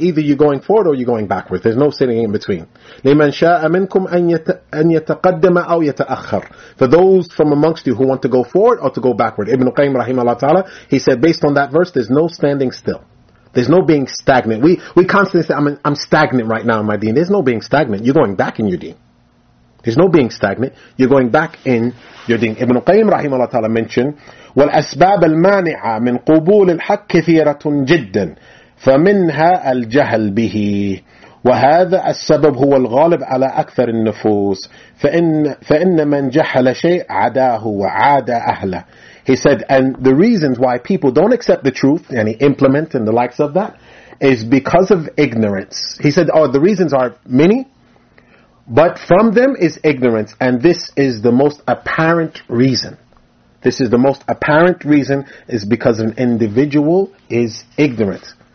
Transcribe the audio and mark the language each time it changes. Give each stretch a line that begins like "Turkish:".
English: Either you're going forward or you're going backwards. There's no sitting in between.
Arabic: لِمَنْ شَاءَ مِنْكُمْ أَنْ يَتَقَدَّمَ أَوْ يَتَأَخَّرُ
English: For those from amongst you who want to go forward or to go backward. Ibn Qayyim rahimahullah ta'ala, he said, based on that verse, there's no standing still. There's no being stagnant. We constantly say, I'm stagnant right now in my deen. There's no being stagnant. You're going back in your deen. There's no being stagnant. You're going back in your deen. Ibn Qayyim rahimahullah ta'ala mentioned,
Arabic: والأسباب المانعة من قبول الحق كثيرة جدا فمنها الجهل به وهذا السبب هو الغالب على أكثر النفوس فإن من جهل شيء عداه وعاد أهله.
English: He said, and the reasons why people don't accept the truth, any implement and the likes of that, is because of ignorance. He said, oh, the reasons are many, but from them is ignorance, and this is the most apparent reason. This is the most apparent reason is because an individual is ignorant.